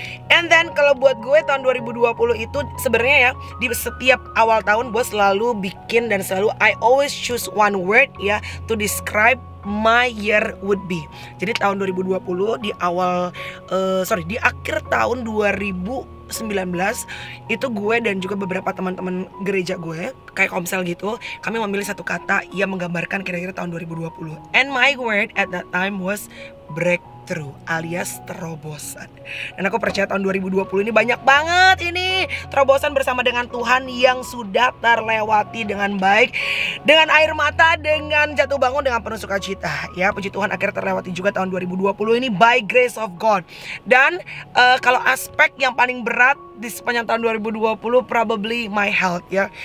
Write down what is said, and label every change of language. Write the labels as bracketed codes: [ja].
[en] And then [id] kalau buat gue tahun 2020 itu sebenarnya ya, di setiap awal tahun gue selalu bikin dan selalu [en] I always choose one word ya to describe my year would be. [id] Jadi tahun 2020 di awal di akhir tahun 2019 itu gue dan juga beberapa teman-teman gereja gue kayak komsel gitu, kami memilih satu kata yang menggambarkan kira-kira tahun 2020. [en] And my word at that time was breakthrough [id] alias terobosan. Dan aku percaya tahun 2020 ini banyak banget ini terobosan bersama dengan Tuhan yang sudah terlewati dengan baik, dengan air mata, dengan jatuh bangun, dengan penuh sukacita. Ya, puji Tuhan akhirnya terlewati juga tahun 2020 ini [en] by grace of God. [id] Dan kalau aspek yang paling berat di sepanjang tahun 2020 [en] probably my health [id] ya.